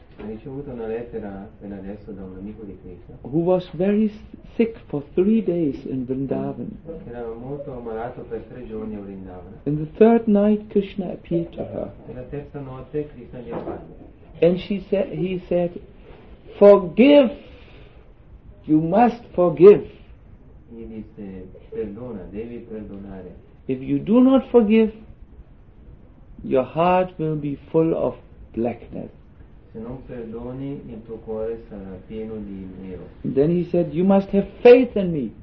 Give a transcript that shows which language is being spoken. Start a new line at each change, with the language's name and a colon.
Italian: Ho ricevuto una lettera appena adesso da un amico di Krishna.
English: Who was very sick for 3 days in Vrindavan.
Italian: Era molto malato per 3 giorni a Vrindavan.
English: In the third night, Krishna appeared to her.
Italian: Nella terza notte Krishna gli apparve.
English: And he said, forgive. You must forgive.
Italian: Gli disse, perdona, devi perdonare.
English: If you do not forgive, your heart will be full of blackness.
Italian: Se non perdoni, il tuo cuore sarà pieno di nero.
English: Then he said, you must have faith in me.